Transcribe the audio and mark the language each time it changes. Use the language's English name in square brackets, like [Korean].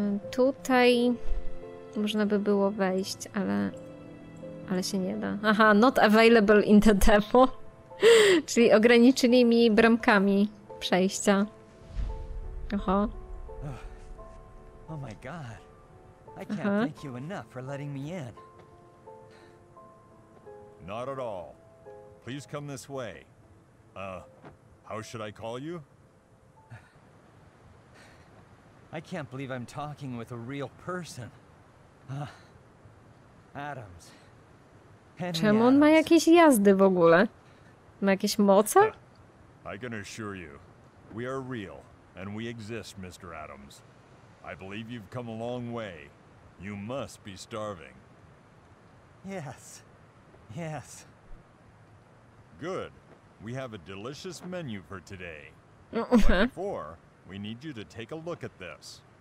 [Polish] Tutaj można by było wejść, ale... Ale się nie da. Aha, [English] not available in the depot. [Polish] Czyli ograniczyli mi bramkami przejścia. Oho. [English] Oh my god. I can't thank you enough for letting me in. Not at all. Please come this way. How should I call you? I can't believe I'm talking with a real person. Adams. Henry. [Polish] Czemu on ma jakieś jazdy w ogóle? Ma jakieś moce? [English] I can assure you, we are real and we exist, Mr. Adams. I believe you've come a long way. You must be starving. Yes. Yes. Good. We have a delicious menu for today. Before, we need you to take a look at this.